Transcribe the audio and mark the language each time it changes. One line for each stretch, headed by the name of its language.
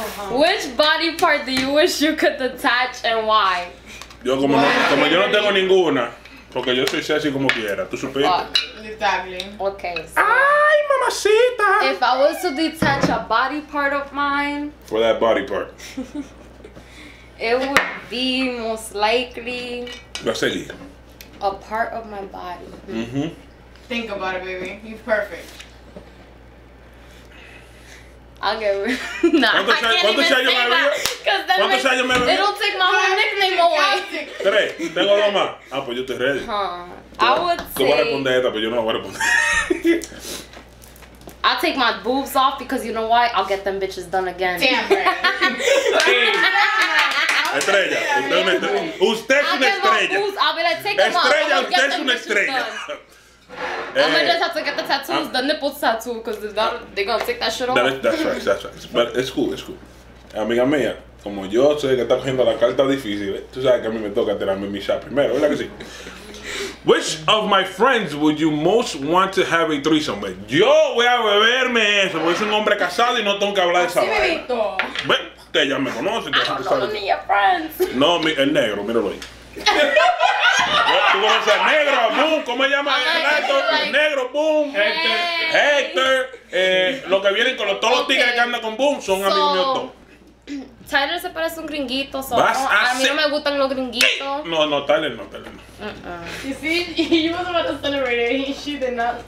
English: Which body part do you wish you could detach and why?
Spanish: Yo, como yo no tengo ninguna. Porque yo soy sexy como quiera, tú supiste.
English: Okay.
Spanish: So ay, mamacita.
English: If I was to detach a body part of mine. For that body part. It would be most likely.
Spanish: Va a seguir.
English: A part of my body. Mm-hmm. Think about it, baby. You're perfect. I'll get rid of it. Nah, I can't even say that. Cause that means it'll take my whole nickname away.
Spanish: Tres. Tengo dos más. Ah, pues yo estoy ready.
English: Huh. I would say.
Spanish: Tú vas a responder esta, pero yo no voy a responder.
English: I'll take my boobs off because you know why? I'll get them bitches done again. Damn.
Spanish: Estrella. Usted es una estrella.
English: I'll be like, take them off.
Spanish: Estrella, usted es una estrella.
English: I'm gonna just have to get the tattoos, the nipples tattoo, because if not, they're gonna take that shit off. That's right. But it's cool.
Spanish: Amiga mía, como yo sé que está cogiendo la carta difícil, tú sabes que a mí me toca tirarme mi shot primero, ¿verdad que sí?
English: Which of my friends would you most want to have a threesome with?
Spanish: Yo voy a beberme eso, porque soy un hombre casado y no tengo que hablar de esa vaina. Así me visto. Ven, que ya me conoce.
English: I don't know any of your friends.
Spanish: No, el negro, míralo ahí. Tú conoces a Negro, a Boom, ¿cómo se llama? Negro, Boom, Hector. Lo que vienen con los, todos los tigres que andan con Boom son amigos míos todos. Tyler se parece a un gringuito, so, ¿vas a mí no me gustan los gringuitos? No, no, Tyler no, Tyler no.
English: You see, you was about to celebrate it, and she did not.